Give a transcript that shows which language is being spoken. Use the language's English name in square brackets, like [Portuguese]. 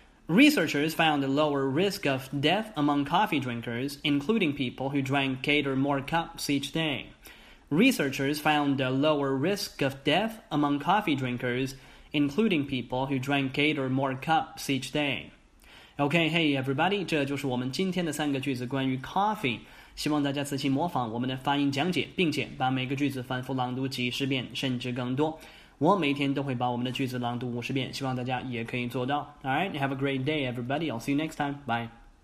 [English] Researchers found a lower risk of death among coffee drinkers, including people who drank 8 or more cups each day. Researchers found a lower risk of death among coffee drinkers, including people who drank 8 or more cups each day. Okay, hey everybody, [Chinese] 这就是我们今天的三个句子关于 coffee. 希望大家仔细模仿我们的发音讲解，并且把每个句子反复朗读几十遍甚至更多。我每天都会把我们的句子朗读50遍，希望大家也可以做到。 [English] Alright, have a great day everybody. I'll see you next time. Bye.